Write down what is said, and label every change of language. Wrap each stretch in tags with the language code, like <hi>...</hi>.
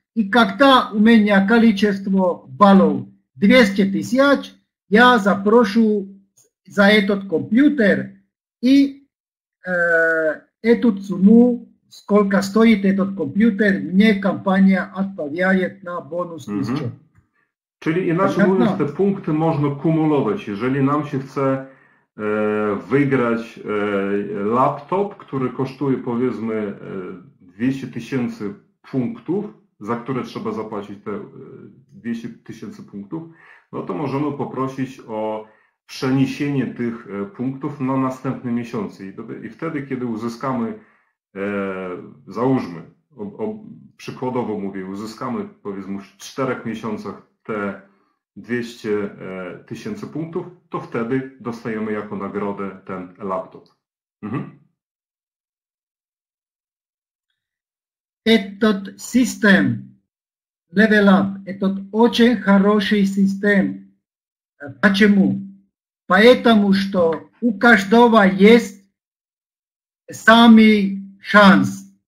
<ru>И когда у меня количество баллов 200 тысяч, я запрошу за этот компьютер и эту сумму, сколько стоит этот компьютер, мне компания отправляет на бонус.</ru> <pl>Czyli inaczej mówiąc, te punkty można kumulować. Jeżeli nam się chce wygrać laptop, który kosztuje powiedzmy 200 tysięcy punktów za które trzeba zapłacić te 200 tysięcy punktów, no to możemy poprosić o przeniesienie tych punktów na następne miesiące. I wtedy, kiedy uzyskamy, załóżmy, przykładowo mówię, uzyskamy powiedzmy w 4 miesiącach te 200 tysięcy punktów, to wtedy dostajemy jako nagrodę ten laptop. Mhm.</pl> <ru>Этот систем Level Up, этот очень хороший систем. Почему? Потому что у каждого есть самый шанс.</ru>